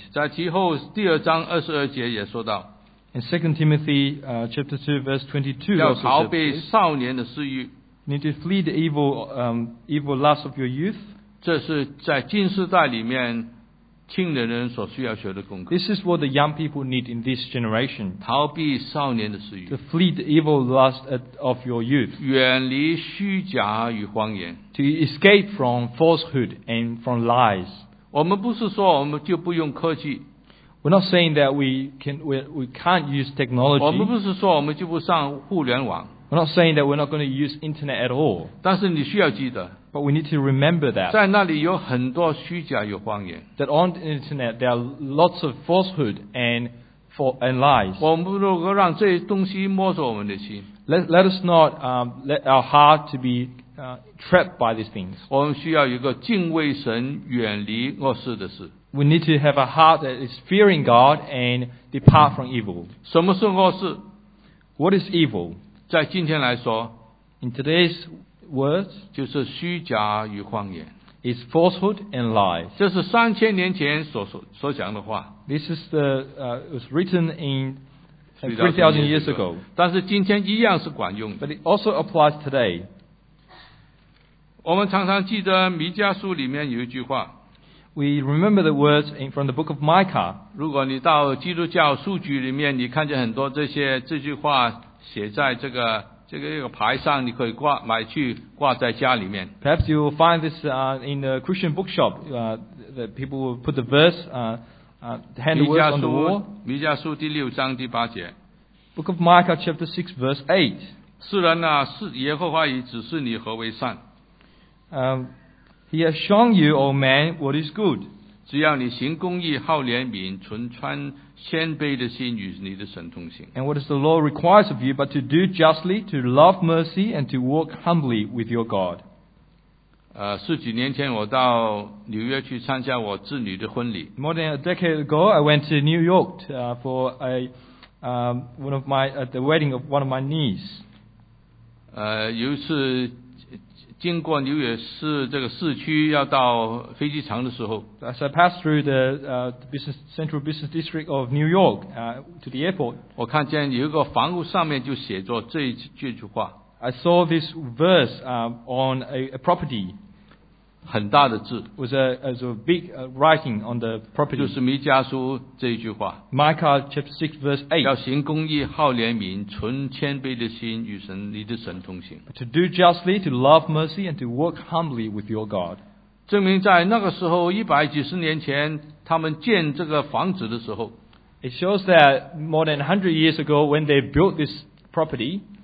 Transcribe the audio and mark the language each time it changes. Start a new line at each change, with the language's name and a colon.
Chinese: 在其后第二章二十二节也说到
English: In 2 Timothy, chapter 2, verse 22,
Chinese: 要逃避少年的私欲
English: Need to flee the evil lust of your youth.
Chinese: 这是在今世代里面青年人所需要学的功课
English: This is what the young people need in this generation.
Chinese: 逃避少年的私欲
English: To flee the evil lust of your youth.
Chinese: 远离虚假与谎言
English: To escape from falsehood and from lies.
Chinese: 我们不是说我们就不用科技。
English: We're not saying that we can't use technology.
Chinese: 我们不是说我们就不上互联网。
English: We're not saying that we're not going to use internet at all.
Chinese: 但是你需要记得。
English: But we need to remember that.
Chinese: 在那里有很多虚假有谎言。
English: That on the internet there are lots of falsehood and lies.
Chinese: 我们如果让这些东西摸索我们的心。
English: Let us not let our heart to be trapped by these things.
Chinese: 我们需要一个敬畏神远离恶事的事。
English: We need to have a heart that is fearing God and depart from evil.
Chinese: 什么是恶事？
English: What is evil?
Chinese: 在今天来说，
English: In today's words,
Chinese: 就是虚假与谎言。
English: It's falsehood and lies.
Chinese: 这是三千年前所讲的话。
English: This is it was written in 3,000 years ago.
Chinese: 但是今天一样是管用的。
English: But it also applies today.
Chinese: 我们常常记得弥迦书里面有一句话。
English: We remember the words from the book of Micah.
Chinese: 如果你到基督教书局里面，你看见很多这句话写在这个一个牌上，你可以买去挂在家里面。
English: Perhaps you will find this in the Christian bookshop. That people will put the verse, hand the words on the wall.
Chinese: 弥迦书第六章第八节。
English: Book of Micah chapter 6 verse 8.
Chinese: 世人啊，是耶和华已指示你何为善。
English: He has shown you, O man, what is good.
Chinese: 只要你行公义，好怜悯，存穿谦卑的心，与你的神同行。
English: And what does the law requires of you but to do justly, to love mercy, and to walk humbly with your God?
Chinese: 十几年前我到纽约去参加我侄女的婚礼。
English: More than a decade ago, I went to New York for a one of my at the wedding of one of my niece.
Chinese: 有一次。经过纽约市这个市区要到飞机场的时候
English: As I passed through the central business district of New York to the airport
Chinese: 我看见有一个房屋上面就写着这句话
English: I saw this verse on a property
Chinese: 很大的字
English: It was a big writing on the property
Chinese: 就是弥迦书这一句话
English: Micah chapter 6 verse 8
Chinese: 要行公义好怜悯存谦卑的心与神你的神同行
English: To do justly, to love mercy, and to work humbly with your God
Chinese: 证明在那个时候一百几十年前他们建这个房子的时候
English: It shows that more than 100 years ago when they built this property